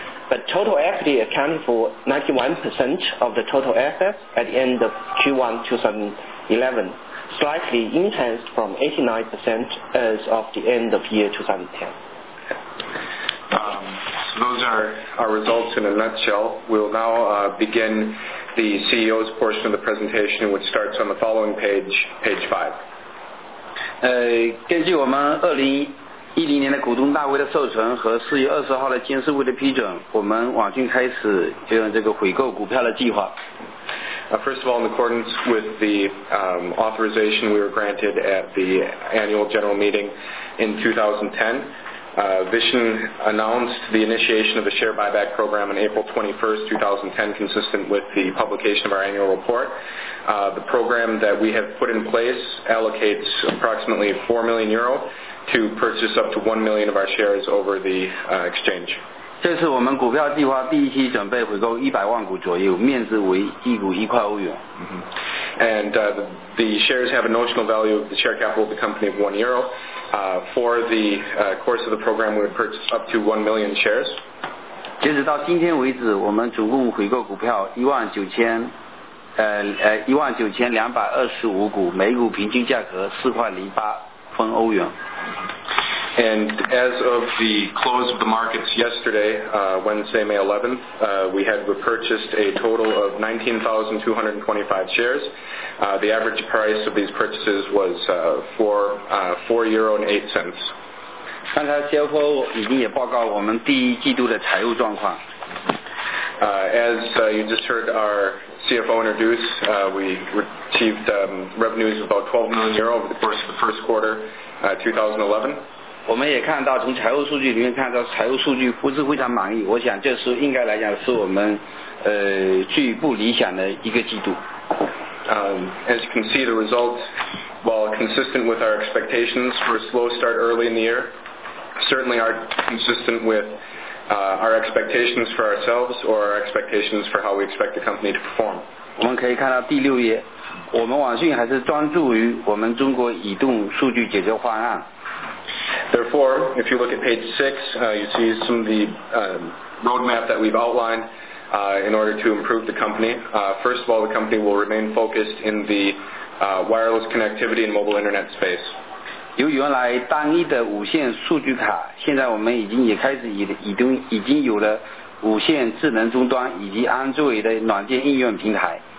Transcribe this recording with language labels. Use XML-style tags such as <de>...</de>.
<en>But total equity accounted for 91% of the total assets at the end of Q1 2011, slightly enhanced from 89% as of the end of year 2010. So those are our results in a nutshell. We'll now begin the CEO's portion of the presentation, which starts on the following page, page 5.</en> <zh>根据我们2010年的股东大会的授权和4月20号的监事会的批准，我们网讯开始这个回购股票的计划。</zh> <en>First of all, in accordance with the authorization we were granted at the annual general meeting in 2010, Vision announced the initiation of a share buyback program on April 21st, 2010, consistent with the publication of our annual report. The program that we have put in place allocates approximately 4 million euro to purchase up to 1 million of our shares over the exchange.</en> <zh>这是我们股票计划第一期准备回购100万股左右，面值为一股一块欧元。</zh> <en>And the shares have a notional value of the share capital of the company of 1 euro. For the course of the program, we would purchase up to 1 million shares.</en> <zh>截止到今天为止，我们总共回购股票19,225股，每股平均价格4.08分欧元。</zh> <en>And as of the close of the markets yesterday, Wednesday, May 11th, we had repurchased a total of 19,225 shares. The average price of these purchases was €4.08.</en> <zh>刚才 CFO 已经也报告我们第一季度的财务状况。</zh> <en>As you just heard our CFO introduce, we achieved revenues of about 12 million euro over the course of the first quarter, 2011.</en> <zh>我们也看到从财务数据里面看到财务数据不是非常满意，我想这是应该来讲是我们最不理想的一个季度。</zh> <en>As you can see, the results, while consistent with our expectations for a slow start early in the year, certainly are consistent with our expectations for ourselves or our expectations for how we expect the company to perform.</en> <zh>我们可以看到第六页，我们网讯还是专注于我们中国移动数据解决方案。</zh> <en>Therefore, if you look at page 6, you see some of the roadmap that we've outlined in order to improve the company. First of all, the company will remain focused in the wireless connectivity and mobile internet space.</en> <zh>由原来单一的无线数据卡，现在我们已经也开始已经有了无线智能终端以及Android的软件应用平台。</zh>